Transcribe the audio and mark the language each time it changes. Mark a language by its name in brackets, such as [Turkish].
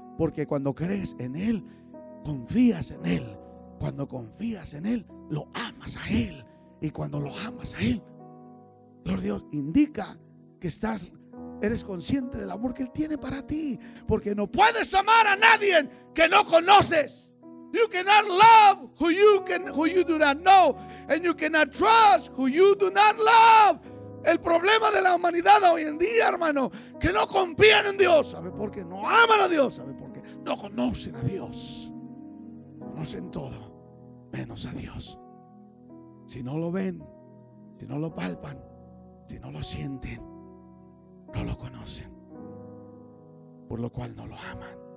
[Spanish] Porque cuando crees en Él, confías en Él, cuando confías en Él, lo amas a Él, y cuando lo amas a Él, Lord Dios, indica que estás, eres consciente del amor que Él tiene para ti. Porque no puedes amar a nadie que no conoces. [English] You cannot love who you do not know. And you cannot trust who you do not love. [Spanish] el problema de la humanidad hoy en día, hermano, que no confían en Dios. ¿Sabe por qué? No aman a Dios. ¿Sabe por qué? No conocen a Dios. Conocen todo menos a Dios. Si no lo ven, si no lo palpan, si no lo sienten, no lo conocen, por lo cual no lo aman.